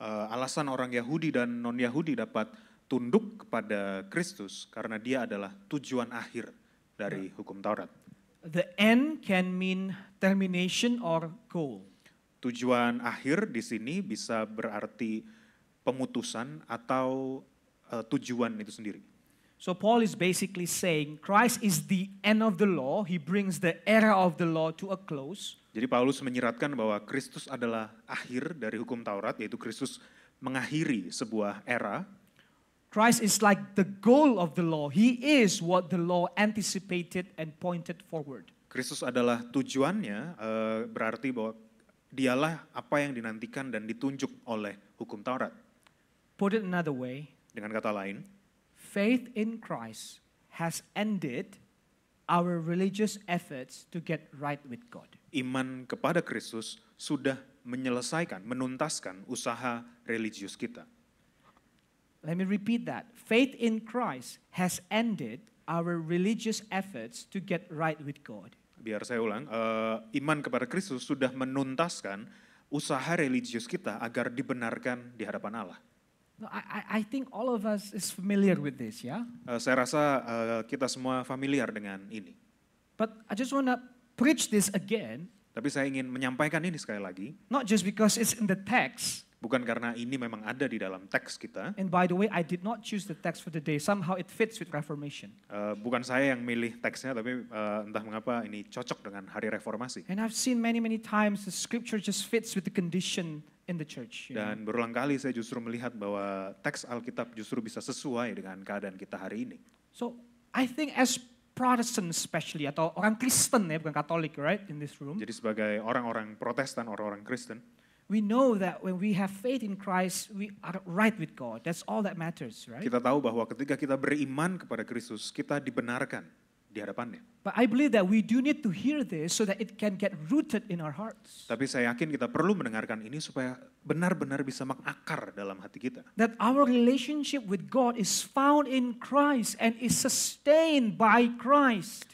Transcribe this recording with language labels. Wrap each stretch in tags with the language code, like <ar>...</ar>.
<id>Alasan orang Yahudi dan non-Yahudi dapat tunduk kepada Kristus karena dia adalah tujuan akhir dari hukum Taurat.</id> <en>The end can mean termination or goal.</en> <id>Tujuan akhir di sini bisa berarti pemutusan atau tujuan itu sendiri.</id> <en>So Paul is basically saying Christ is the end of the law. He brings the era of the law to a close.</en> <id>Jadi Paulus menyiratkan bahwa Kristus adalah akhir dari hukum Taurat, yaitu Kristus mengakhiri sebuah era.</id> <en>Christ is like the goal of the law. He is what the law anticipated and pointed forward.</en> <id>Kristus adalah tujuannya, berarti bahwa dialah apa yang dinantikan dan ditunjuk oleh hukum Taurat.</id> <en>Put it another way.</en> <id>Dengan kata lain,</id> <en>faith in Christ has ended our religious efforts to get right with God.</en> <id>Iman kepada Kristus sudah menyelesaikan, menuntaskan usaha religius kita.</id> <en>Let me repeat that. Faith in Christ has ended our religious efforts to get right with God.</en> <id>Biar saya ulang, iman kepada Kristus sudah menuntaskan usaha religius kita agar dibenarkan di hadapan Allah.</id> <en>I think all of us is familiar with this, ya?</en> <id>Saya rasa kita semua familiar dengan ini.</id> <en>But I just want to preach this again.</en> <id>Tapi saya ingin menyampaikan ini sekali lagi.</id> <en>Not just because it's in the text.</en> <id>Bukan karena ini memang ada di dalam teks kita.</id> <en>And by the way, I did not choose the text for today. Somehow it fits with Reformation.</en> <id>Bukan saya yang milih teksnya, tapi entah mengapa ini cocok dengan hari Reformasi.</id> <en>And I've seen many times the scripture just fits with the condition in the church.</en> <id>Dan berulang kali saya justru melihat bahwa teks Alkitab justru bisa sesuai dengan keadaan kita hari ini.</id> <en>So, I think as Protestant especially,</en> <id>atau orang Kristen ya, bukan Katolik,</id> <en>right, in this room.</en> <id>Jadi sebagai orang-orang Protestan, orang-orang Kristen,</id> <en>we know that when we have faith in Christ, we are right with God. That's all that matters, right?</en> <id>Kita tahu bahwa ketika kita beriman kepada Kristus, kita dibenarkan di hadapannya.</id> <en>But I believe that we do need to hear this so that it can get rooted in our hearts.</en> <id>Tapi saya yakin kita perlu mendengarkan ini supaya benar-benar bisa mengakar dalam hati kita.</id> <en>That our relationship with God is found in Christ and is sustained by Christ.</en>